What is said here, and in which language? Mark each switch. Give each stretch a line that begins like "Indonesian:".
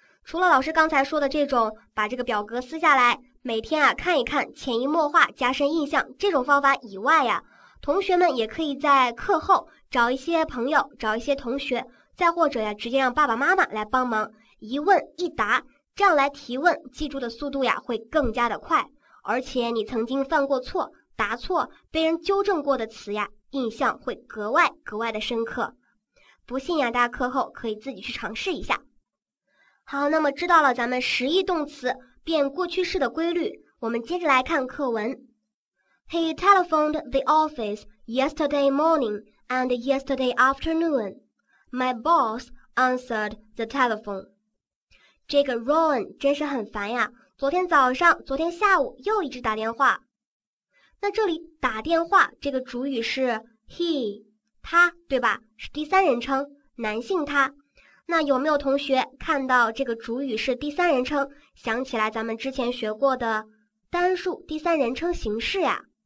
Chinese: 除了老师刚才说的这种把这个表格撕下来每天啊看一看潜移默化加深印象这种方法以外呀，同学们也可以在课后找一些朋友找一些同学，再或者呀直接让爸爸妈妈来帮忙一问一答，这样来提问记住的速度呀会更加的快，而且你曾经犯过错答错被人纠正过的词呀印象会格外格外的深刻。不信呀，大家课后可以自己去尝试一下。好，那么知道了咱们实义动词变过去式的规律，我们接着来看课文。
English: He telephoned the office yesterday morning and yesterday afternoon. My boss answered the telephone.
Chinese: 这个 Ron 真是很烦呀，昨天早上昨天下午又一直打电话。那这里打电话这个主语是 he 他，对吧？是第三人称男性他。那有没有同学看到这个主语是第三人称想起来咱们之前学过的单数第三人称形式呀？